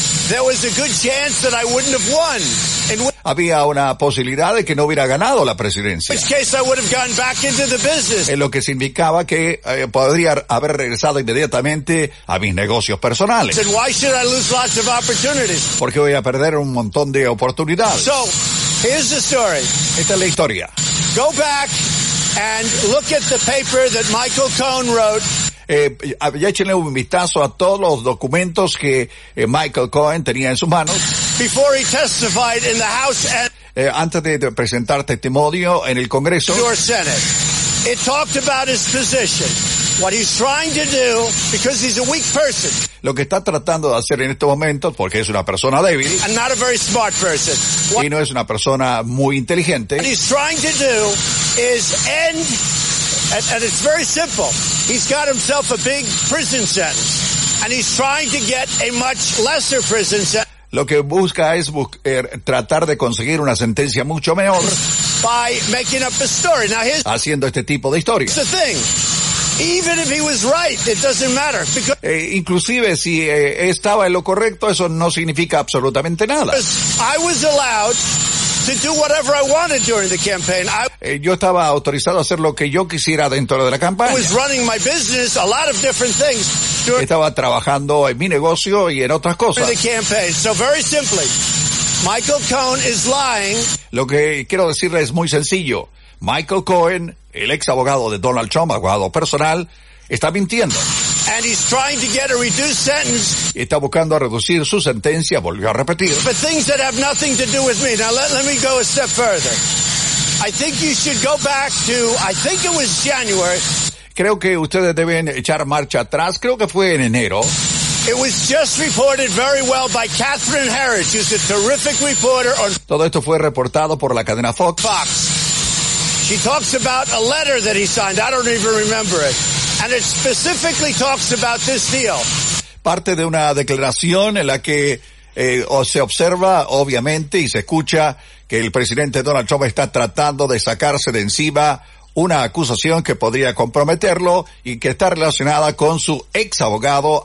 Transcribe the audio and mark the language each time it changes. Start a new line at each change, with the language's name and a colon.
English: There was a good chance that I wouldn't have won.
Spanish: Había una posibilidad de que no hubiera ganado la presidencia.
English: In which case I would have gone back into the business.
Spanish: En lo que significaba que podría haber regresado inmediatamente a mis negocios personales.
English: And why should I lose lots of opportunities?
Spanish: Porque voy a perder un montón de oportunidades.
English: So, here's the story.
Spanish: Esta es la historia.
English: Go back and look at the paper that Michael Cohen wrote.
Spanish: Ya échenle un vistazo a todos los documentos que Michael Cohen tenía en sus manos.
English: Before he testified in the House and
Spanish: antes de presentar testimonio en el Congreso,
English: your Senate, it talked about his position, what he's trying to do, because he's a weak person.
Spanish: Lo que está tratando de hacer en estos momentos, porque es una persona débil,
English: and not a very smart person,
Spanish: y no es una persona muy inteligente.
English: What he's trying to do is end, and it's very simple. He's got himself a big prison sentence, and he's trying to get a much lesser prison sentence.
Spanish: Lo que busca es tratar de conseguir una sentencia mucho menor
English: by making up a story. Now here's,
Spanish: haciendo este tipo de historia.
English: The thing, even if he was right, it doesn't matter. Because
Spanish: inclusive si estaba en lo correcto, eso no significa absolutamente nada.
English: I was allowed to do whatever I wanted during the campaign.
Spanish: Yo estaba autorizado a hacer lo que yo quisiera dentro de la campaña.
English: I was running my business, a lot of different things.
Spanish: Estaba trabajando en mi negocio y en otras cosas.
English: The campaign. So very simply, Michael Cohen is lying.
Spanish: Lo que quiero decirle es muy sencillo. Michael Cohen, el ex abogado de Donald Trump, abogado personal, está mintiendo.
English: And he's trying to get a reduced sentence.
Spanish: Está buscando reducir su sentencia, volvió a repetir.
English: But things that have nothing to do with me. Now let me go a step further. I think you should go back to, I think it was January.
Spanish: Creo que ustedes deben echar marcha atrás. Creo que fue en enero.
English: It was just reported very well by Catherine Harris, who's a terrific reporter on...
Spanish: Todo esto fue reportado por la cadena Fox.
English: Fox. She talks about a letter that he signed. I don't even remember it. And it specifically talks about this deal.
Spanish: Parte de una declaración en la que se observa, obviamente, y se escucha que el presidente Donald Trump está tratando de sacarse de encima una acusación que podría comprometerlo y que está relacionada con su ex abogado.